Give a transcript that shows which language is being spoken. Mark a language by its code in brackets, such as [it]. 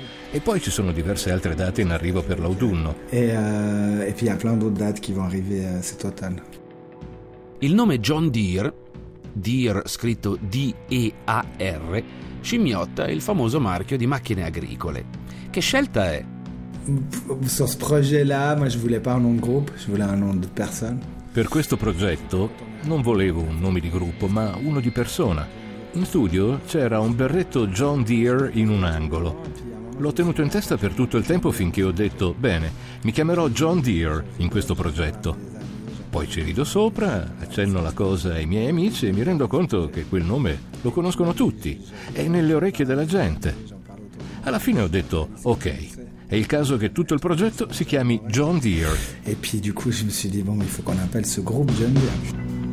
[it] E poi ci sono diverse altre date in arrivo per l'autunno. E poi [fr] ha plein d'autres dates qui vont arriver cet automne. [it] Il nome John Deere, Deere scritto D-E-A-R, scimmiotta il famoso marchio di macchine agricole. Che scelta è? Su questo progetto, ma [fr] je voulais pas un nom de groupe, je voulais un nom de personne. [it] Per questo progetto non volevo un nome di gruppo, ma uno di persona. In studio c'era un berretto John Deere in un angolo. L'ho tenuto in testa per tutto il tempo finché ho detto: bene, mi chiamerò John Deere in questo progetto. Poi ci rido sopra, accenno la cosa ai miei amici e mi rendo conto che quel nome lo conoscono tutti, è nelle orecchie della gente. Alla fine ho detto: ok, è il caso che tutto il progetto si chiami John Deere. E poi [fr] du coup je me suis dit: bon, il faut qu'on appelle ce groupe John Deere.